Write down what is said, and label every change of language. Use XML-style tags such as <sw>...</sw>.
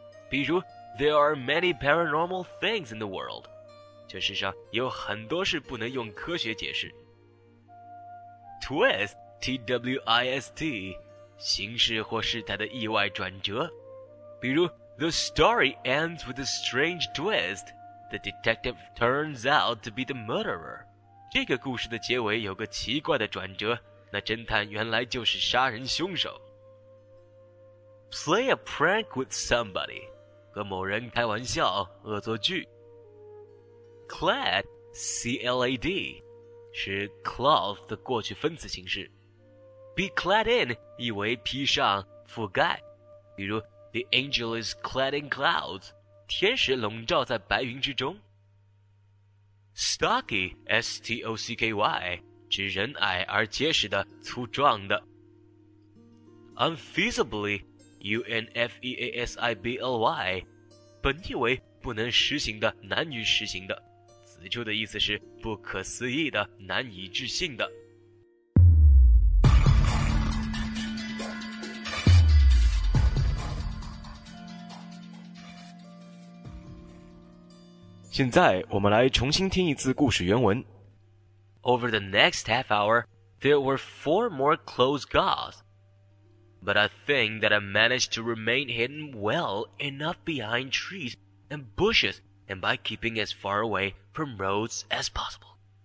<zh>比如</zh> <en>there are many paranormal things in the world,</en> <zh>这世上有很多事不能用科学解释。 Twist, T-W-I-S-T, 形式或事态的意外转折。比如</zh> <en>the story ends with a strange twist, the detective turns out to be the murderer.</en> <zh>这个故事的结尾有个奇怪的转折，那侦探原来就是杀人凶手。</zh> <en>Play a prank with somebody,</en> <zh>和某人开玩笑，恶作剧。 Clad, C-L-A-D, 是 cloth 的过去分词形式。</zh> <en>Be clad in,</en> <zh>意为披上，覆盖。 比如</zh> <en>The angel is clad in clouds,</en> <zh>天使笼罩在白云之中。 Stocky, S-T-O-C-K-Y, 指人矮而结实的、粗壮的。 Unfeasibly, U-N-F-E-A-S-I-B-L-Y, 本以为不能实行的、难于实行的。此处的意思是不可思议的、难以置信的。现在我们来重新听一次故事原文。</zh> <en>Over the next half hour, there were four more close calls, but I think that I managed to remain hidden well enough behind trees and bushes and by keeping as far away from roads as possible.</en>